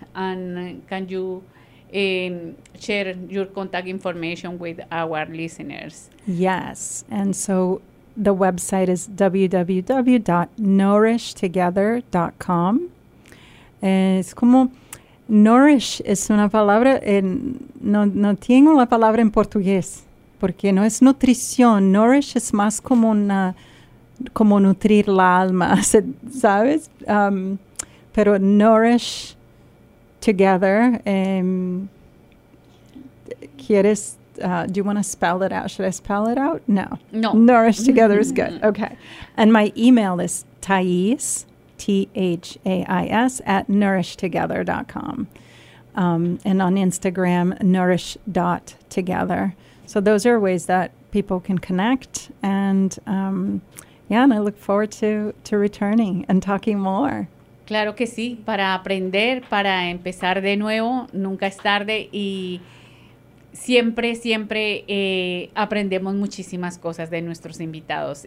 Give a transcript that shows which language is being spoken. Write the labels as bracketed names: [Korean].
[English] And can you share your contact information with our listeners? Yes. And so the website is www.nourishtogether.com. [Spanish] Es como nourish, es una palabra, no tengo la palabra en portugués, porque no es nutrición. Nourish es más como una, como nutrir la alma, ¿sabes? Pero nourish together, ¿quieres, do you want to spell it out? Should I spell it out? No. No. [English] Nourish together is good. Okay. And my email is Thais, Thais, at nourishtogether.com. And on Instagram, nourish.together. So those are ways that people can connect. And and I look forward to returning and talking more. [Spanish] Claro que sí. Para aprender, para empezar de nuevo, nunca es tarde. Y siempre, siempre aprendemos muchísimas cosas de nuestros invitados.